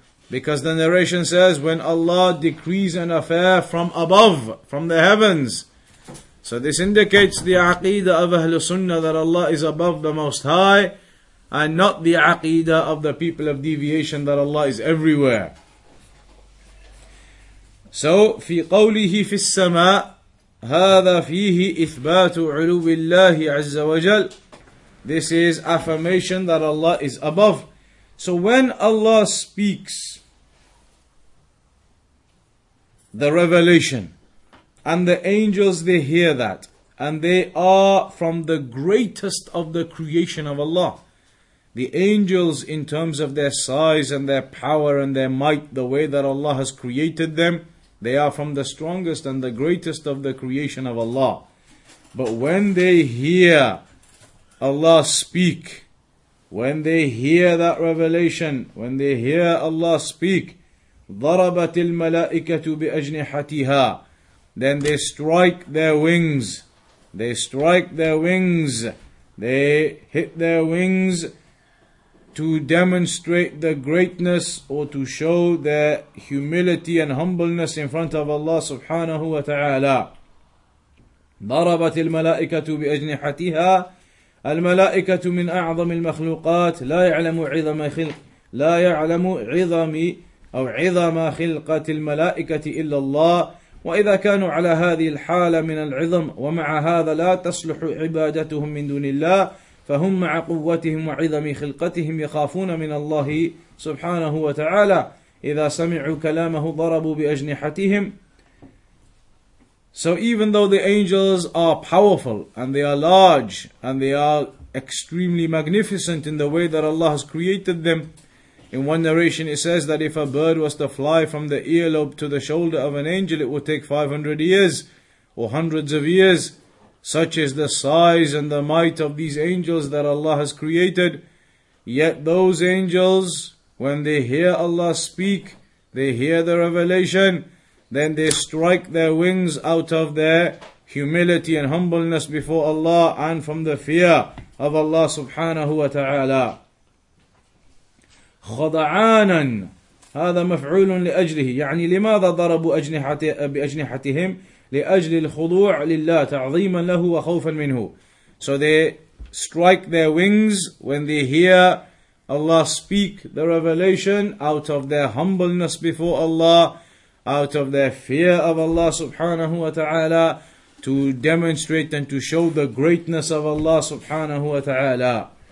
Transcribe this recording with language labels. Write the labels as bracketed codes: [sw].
[en] Because the narration says, when Allah decrees an affair from above, from the heavens, So this indicates the aqeedah of Ahlul Sunnah that Allah is above the Most High, and not the aqeedah of the people of deviation that Allah is everywhere. [ar] So, في قوله في السماء هذا فيه إثبات علو الله عز وجل. [en] This is affirmation that Allah is above. So when Allah speaks the revelation, and the angels, they hear that, and they are from the greatest of the creation of Allah. The angels, in terms of their size and their power and their might, the way that Allah has created them, they are from the strongest and the greatest of the creation of Allah. But when they hear Allah speak, when they hear that revelation, when they hear Allah speak, [ar] ضربت الملائكة بأجنحتها, [en] then they strike their wings. They strike their wings. They hit their wings to demonstrate the greatness or to show their humility and humbleness in front of Allah subhanahu wa ta'ala. [ar] ضربت الملائكة بأجنحتها الملائكة من أعظم المخلوقات لا يعلم عظم خلق لا يعلم عظم أو عظم خلقة الملائكة إلا الله وإذا كانوا على هذه الحالة من العظم ومع هذا لا تصلح عبادتهم من دون الله فهم مع قوتهم وعظم خلقتهم يخافون من الله سبحانه وتعالى إذا سمعوا كلامه ضربوا بأجنحتهم. [en] So even though the angels are powerful and they are large and they are extremely magnificent in the way that Allah has created them, in one narration it says that if a bird was to fly from the earlobe to the shoulder of an angel, it would take 500 years or hundreds of years. Such is the size and the might of these angels that Allah has created. Yet those angels, when they hear Allah speak, they hear the revelation, then they strike their wings out of their humility and humbleness before Allah and from the fear of Allah subhanahu wa ta'ala. [ar] خَضَعَانًا هذا مفعول لأجله يعني لماذا ضربوا بأجنحتهم لأجل الخضوع لله تعظيما له وخوفا منه. [en] So they strike their wings when they hear Allah speak the revelation out of their humbleness before Allah, out of their fear of Allah subhanahu wa ta'ala, to demonstrate and to show the greatness of Allah subhanahu wa ta'ala.